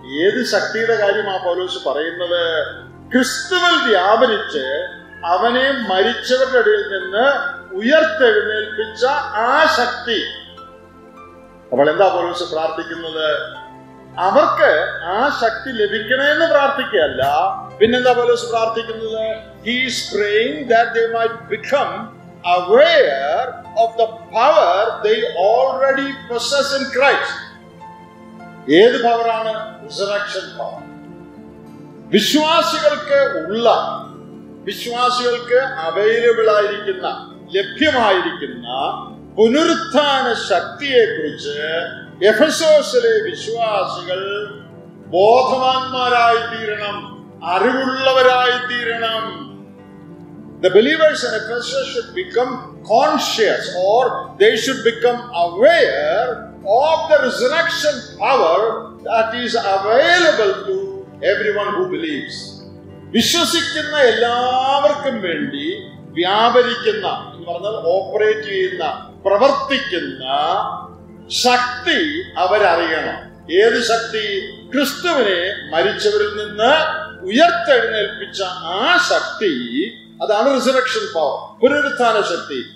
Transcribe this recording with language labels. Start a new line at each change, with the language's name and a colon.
Malayalam: ഏത് ശക്തിയുടെ കാര്യമാണ് പൗലോസ് പറയുന്നത്? ക്രിസ്തുവിൽ വ്യാപരിച്ച് അവനെ മരിച്ചവരുടെ ഇടയിൽ നിന്ന് ഉയർത്തെഴുന്നേൽപ്പിച്ച ആ ശക്തി. അവൾ എന്താ പൗലോസ് പ്രാർത്ഥിക്കുന്നത്? അവർക്ക് ആ ശക്തി ലഭിക്കണമെന്ന് പ്രാർത്ഥിക്കുകയല്ല, പിന്നെന്താ പൗലോസ് പ്രാർത്ഥിക്കുന്നത്?
English: He is praying that they might become aware of the power they already possess in Christ.
Malayalam: ഏത് പവറാണ്?
English: Resurrection power.
Malayalam: വിശ്വാസികൾക്ക് ഉള്ള, വിശ്വാസികൾക്ക് അവൈലബിൾ ആയിരിക്കുന്ന, ലഭ്യമായിരിക്കുന്ന പുനരുത്ഥാന ശക്തിയെ കുറിച്ച് എഫസോസിലെ വിശ്വാസികൾ ബോധവാന്മാരായിത്തീരണം, അറിവുള്ളവരായിത്തീരണം.
English: The believers in Ephesus should become conscious, or they should become aware of the resurrection power that is available to everyone who believes.
Malayalam: വിശ്വസിക്കുന്ന എല്ലാവർക്കും വേണ്ടി വ്യാപരിക്കുന്ന, എന്ന് പറഞ്ഞാൽ ഓപ്പറേറ്റ് ചെയ്യുന്ന, പ്രവർത്തിക്കുന്ന ശക്തി അവരറിയണം. ഏത് ശക്തി? ക്രിസ്തുവിനെ മരിച്ചവരിൽ നിന്ന് ഉയർത്തെഴുന്നേൽപ്പിച്ച ആ ശക്തി, അതാണ് റിസറക്ഷൻ പവർ, പുനരുത്ഥാന ശക്തി.